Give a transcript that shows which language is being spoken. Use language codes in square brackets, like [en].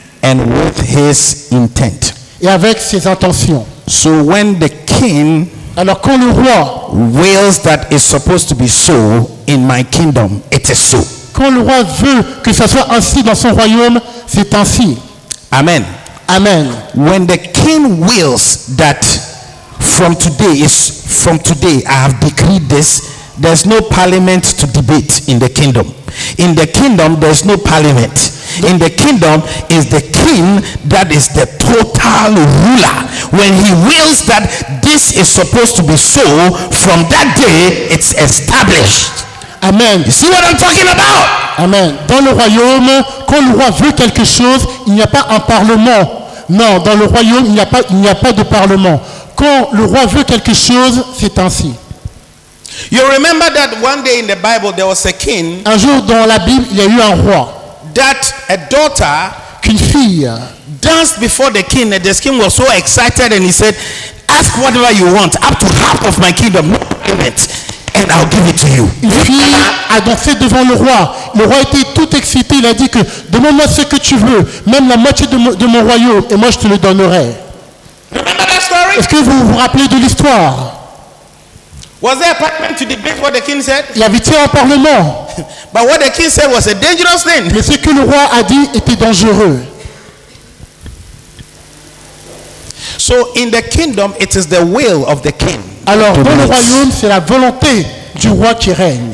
[en] And with his intent, [fr] et avec ses intentions. [en] So when the king, [fr] alors quand le roi, [en] wills that is supposed to be so in my kingdom, it is so. [fr] Quand le roi veut que ça soit ainsi dans son royaume, c'est ainsi. [en] Amen. Amen. When the king wills that from today is from today I have decreed this, there's no parliament to debate in the kingdom. In the kingdom there's no parliament. In the kingdom is the king that is the total ruler. When he wills that this is supposed to be so, from that day it's established. Amen. You see what I'm talking about? Amen. [fr] Dans le royaume, quand le roi veut quelque chose, il n'y a pas un parlement. Non, dans le royaume, il n'y a pas de parlement. Quand le roi veut quelque chose, c'est ainsi. [en] You remember that one day in the Bible there was a king. [fr] Un jour dans la Bible, il y a eu un roi. [en] That a daughter, [fr] qu'une fille, [en] danced before the king, and the king was so excited, and he said, "Ask whatever you want, up to half of my kingdom, no payment, and I'll give it to you." [fr] Une fille a dansé devant le roi. Le roi était tout excité. Il a dit que demande-moi ce que tu veux, même la moitié de mon royaume, et moi je te le donnerai. [en] Remember that story? [fr] Est-ce que vous vous rappelez de l'histoire? [en] Was there a parliament to debate what the king said? [fr] Il y avait-il un parlement? [en] But what the king said was a dangerous thing. [fr] Mais ce que le roi a dit était dangereux. [en] So in the kingdom, it is the will of the king. [fr] Alors dans le royaume, c'est la volonté du roi qui règne.